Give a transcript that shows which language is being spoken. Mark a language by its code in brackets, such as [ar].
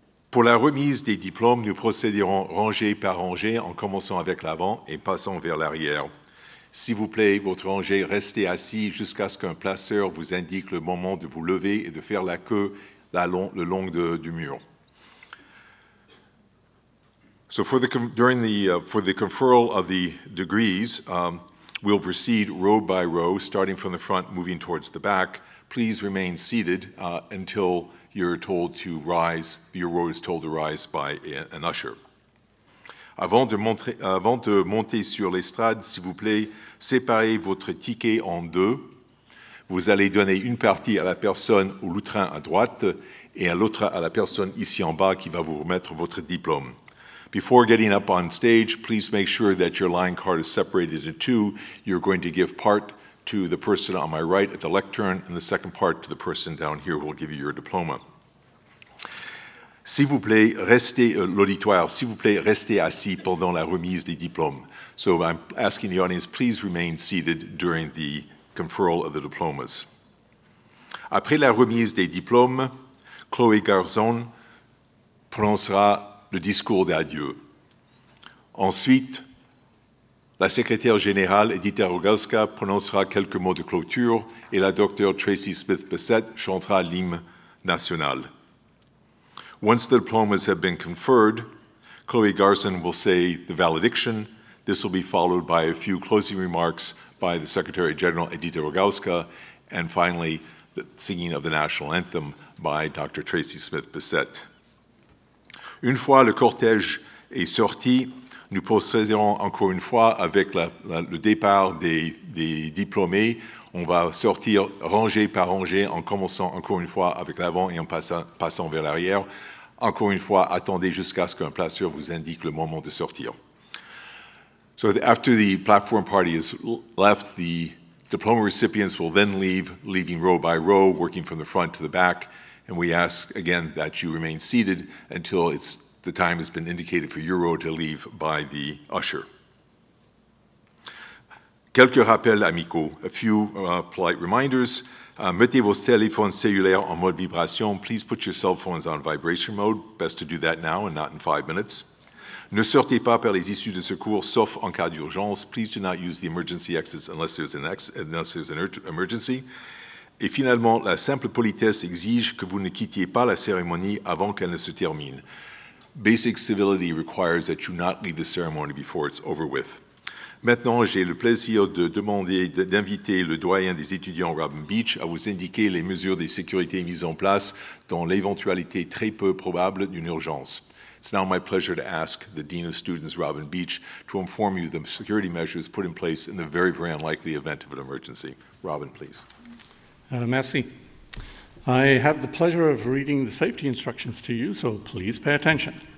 [fr] Pour la remise des diplômes, nous procéderons rangée par rangée, en commençant avec l'avant et passant vers l'arrière. S'il vous plaît, votre rangée, restez assis jusqu'à ce qu'un placeur vous indique le moment de vous lever et de faire la queue le long du mur. [en] So for the conferral of the degrees, we'll proceed row by row, starting from the front, moving towards the back. Please remain seated until you're told to rise, your row is told to rise by an usher. [fr] Avant de monter sur l'estrade, s'il vous plaît, séparez votre ticket en deux. Vous allez donner une partie à la personne au loutrin à droite et à l'autre à la personne ici en bas qui va vous remettre votre diplôme. [en] Before getting up on stage, please make sure that your line card is separated into two. You're going to give part to the person on my right at the lectern and the second part to the person down here who will give you your diploma. [fr] S'il vous plaît, restez l'auditoire, s'il vous plaît, restez assis pendant la remise des diplômes. [en] So I'm asking the audience, please remain seated during the conferral of the diplomas. [fr] Après la remise des diplômes, Chloé Garzon prononcera le discours d'adieu. Ensuite, la secrétaire générale Edita Rogalska prononcera quelques mots de clôture et la docteure Tracy Smith Bessette chantera l'hymne national. [en] Once the diplomas have been conferred, Chloé Garzon will say the valediction. This will be followed by a few closing remarks by the Secretary General Edita Rogalska, and finally, the singing of the national anthem by Dr. Tracy Smith Bessette. [fr] Une fois le cortège est sorti, nous procéderons encore une fois avec le départ des diplômés. On va sortir rangée par rangée en commençant encore une fois avec l'avant et en passant vers l'arrière. Encore une fois, attendez jusqu'à ce qu'un placeur vous indique le moment de sortir. [en] So after the platform party is left, the diploma recipients will then leaving row by row, working from the front to the back. And we ask again that you remain seated until the time has been indicated for your row to leave by the usher. [fr] Quelques rappels amicaux, [en] a few polite reminders. [fr] Mettez vos téléphones cellulaires en mode vibration. [en] Please put your cell phones on vibration mode. Best to do that now and not in 5 minutes. [fr] Ne sortez pas par les issues de secours, sauf en cas d'urgence. [en] Please do not use the emergency exits unless there's an emergency. [fr] Et finalement, la simple politesse exige que vous ne quittiez pas la cérémonie avant qu'elle ne se termine. [en] Basic civility requires that you not leave the ceremony before it's over with. [fr] Maintenant, j'ai le plaisir de demander d'inviter le doyen des étudiants Robin Beach à vous indiquer les mesures de sécurité mises en place dans l'éventualité très peu probable d'une urgence. [en] It's now my pleasure to ask the Dean of Students, Robin Beach, to inform you of the security measures put in place in the very, very unlikely event of an emergency. Robin, please. [fr] Merci. [en] I have the pleasure of reading the safety instructions to you, so please pay attention.